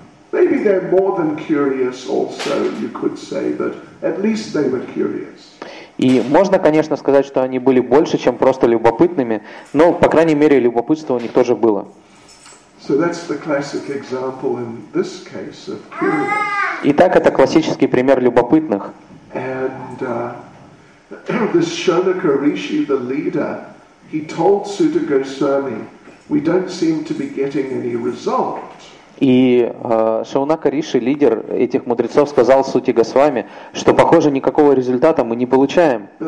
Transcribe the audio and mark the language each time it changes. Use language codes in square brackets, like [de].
[en] Maybe they're more than curious also, you could say, but at least they were curious. [ru] И можно, конечно, сказать, что они были больше, чем просто любопытными, но, по крайней мере, любопытство у них тоже было. [en] So that's the classic example in this case of curious. [ru] Итак, это классический пример любопытных. [en] And this Shonaka Rishi, the leader, he told Sutta Goswami, we don't seem to be getting any result. [ru] И Шаунака Риши, лидер этих мудрецов, сказал Сути Госвами, что, похоже, никакого результата мы не получаем.